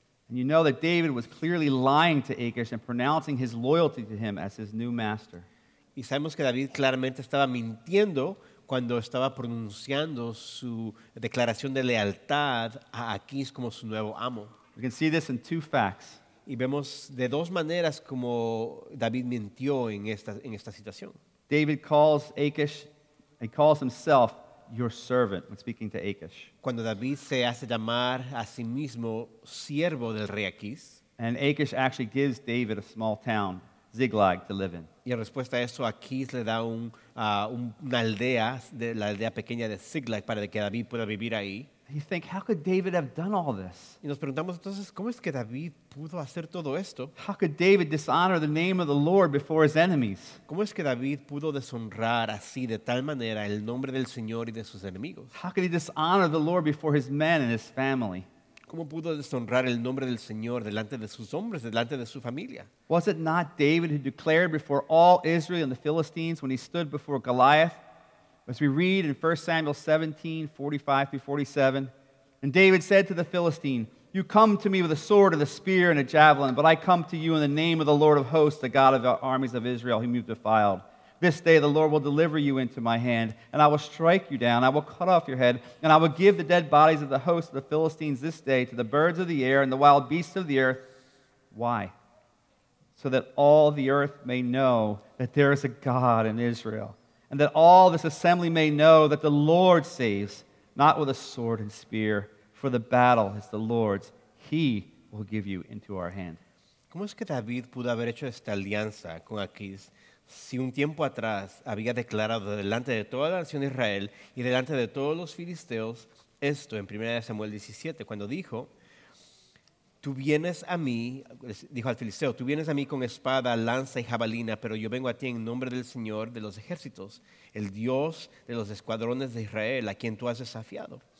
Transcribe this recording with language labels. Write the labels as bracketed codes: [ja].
[en] And you know that David was clearly lying to Achish and pronouncing his loyalty to him as his new master. [es] Y sabemos que David claramente estaba mintiendo cuando estaba pronunciando su declaración de lealtad a Achish como su nuevo amo. [en] We can see this in two facts. [es] Y vemos de dos maneras como David mintió en esta situación. [en] David calls Achish, he calls himself your servant when speaking to Achish. [es] Cuando David se hace llamar a sí mismo siervo del rey Achish. [en] And Achish actually gives David a small town, Ziklag, to live in. [es] Y en respuesta a eso, Achish le da una aldea, la aldea pequeña de Ziklag, para que David pueda vivir ahí. [en] You think, how could David have done all this? [es] Y nos preguntamos entonces, ¿cómo es que David pudo hacer todo esto? [en] How could David dishonor the name of the Lord before his enemies? [es] ¿Cómo es que David pudo deshonrar así de tal manera el nombre del Señor y de sus enemigos? [en] How could he dishonor the Lord before his men and his family? [es] ¿Cómo pudo deshonrar el nombre del Señor delante de sus hombres, delante de su familia? [en] Was it not David who declared before all Israel and the Philistines when he stood before Goliath? As we read in 1 Samuel 17, 45 through 47, "And David said to the Philistine, 'You come to me with a sword and a spear and a javelin, but I come to you in the name of the Lord of hosts, the God of the armies of Israel, whom you've defiled. This day the Lord will deliver you into my hand, and I will strike you down, I will cut off your head, and I will give the dead bodies of the hosts of the Philistines this day to the birds of the air and the wild beasts of the earth.'" Why? "So that all the earth may know that there is a God in Israel, and that all this assembly may know that the Lord saves, not with a sword and spear, for the battle is the Lord's. He will give you into our hand." [es] ¿Cómo es que David pudo haber hecho esta alianza con Achish si un tiempo atrás había declarado delante de toda la nación de Israel y delante de todos los filisteos esto en 1 Samuel 17, cuando dijo, "Tú vienes a mí", dijo al filisteo, "tú vienes a mí con espada, lanza y jabalina, pero yo vengo a ti en nombre del Señor de los ejércitos, el Dios de los escuadrones de Israel, a quien tú has desafiado.